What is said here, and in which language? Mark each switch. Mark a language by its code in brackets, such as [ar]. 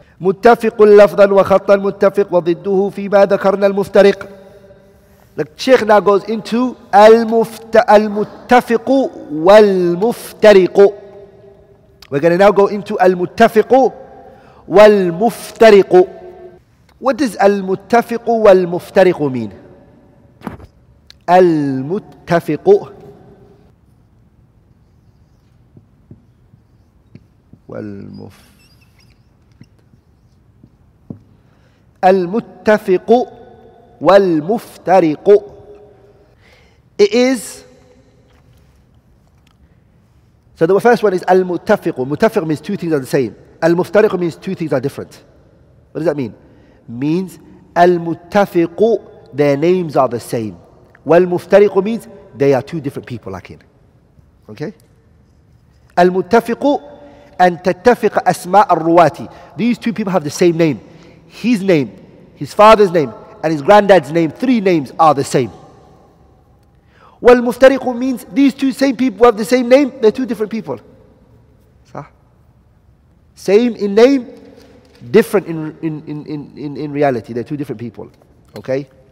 [ar] متفق لفظا وخطا متفق وضده فيما ذكرنا المفترق. [en] Like Sheikh now goes into المتفق والمفترق. We're going to now go into المتفق والمفترق. What does المتفق والمفترق mean? [ar] المتفق. والمفترق. المتفق والمفترق. [en] It is. So the first one is المتفق. متفق means two things are the same. المفترق means two things are different. What does that mean? Means المتفق, their names are the same. والمفترق means they are two different people. Like in. Okay. [ar] المتفق and تتفق أسماء الرواة. [en] These two people have the same name. His name, his father's name, and his granddad's name, three names are the same. وَالْمُفْتَرِقُ means these two same people have the same name, they're two different people. Same in name, different in reality, they're two different people. Okay?